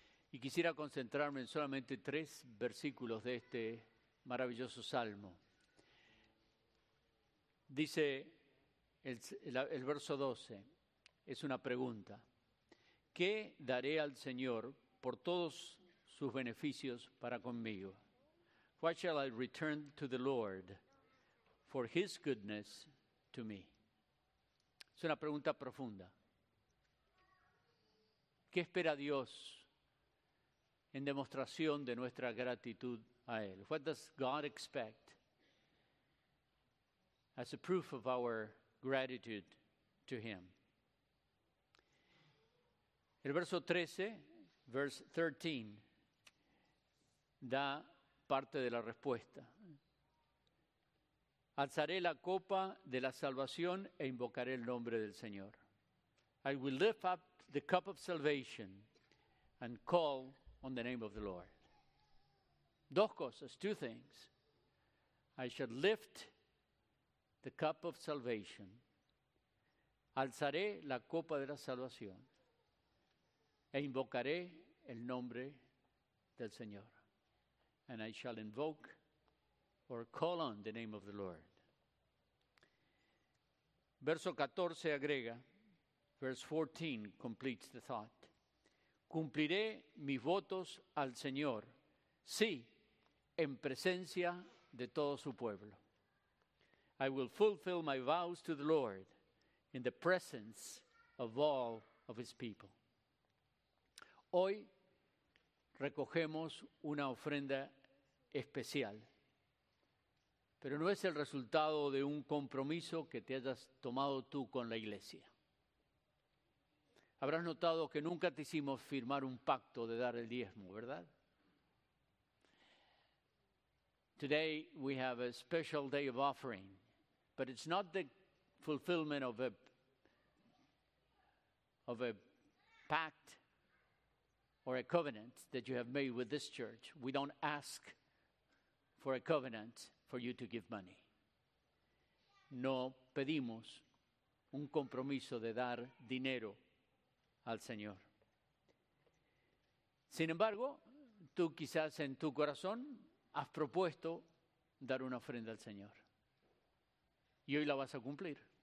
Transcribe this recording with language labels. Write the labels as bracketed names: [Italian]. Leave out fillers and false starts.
[Spanish] Y quisiera concentrarme en solamente tres versículos de este maravilloso salmo. Dice el verso 12, es una pregunta. ¿Qué daré al Señor por todos sus beneficios para conmigo? [English] What shall I return to the Lord for his goodness to me? [Spanish] Es una pregunta profunda. ¿Qué espera Dios en demostración de nuestra gratitud a Él? [English] What does God expect as a proof of our gratitude to Him? [Spanish] El verso 13, [English] verse 13, [Spanish] da parte de la respuesta. alzaré la copa de la salvación e invocaré el nombre del Señor. [English] I will lift up the cup of salvation and call on the name of the Lord. [Spanish] Dos cosas, [English] two things. I shall lift the cup of salvation. [Spanish] Alzaré la copa de la salvación e invocaré el nombre del Señor. [English] And I shall invoke or call on the name of the Lord. [Spanish] Verso 14 agrega, [English] verse 14 completes the thought. [Spanish] Cumpliré mis votos al Señor, sí, en presencia de todo su pueblo. [English] I will fulfill my vows to the Lord in the presence of all of his people. [Spanish] Hoy recogemos una ofrenda especial, pero no es el resultado de un compromiso que te hayas tomado tú con la iglesia. Habrás notado que nunca te hicimos firmar un pacto de dar el diezmo, ¿verdad? [English] Today we have a special day of offering, but it's not the fulfillment of a pact or a covenant that you have made with this church. We don't ask for a covenant for you to give money. [Spanish] No pedimos un compromiso de dar dinero al Señor. Sin embargo, tú quizás en tu corazón has propuesto dar una ofrenda al Señor. Y hoy la vas a cumplir.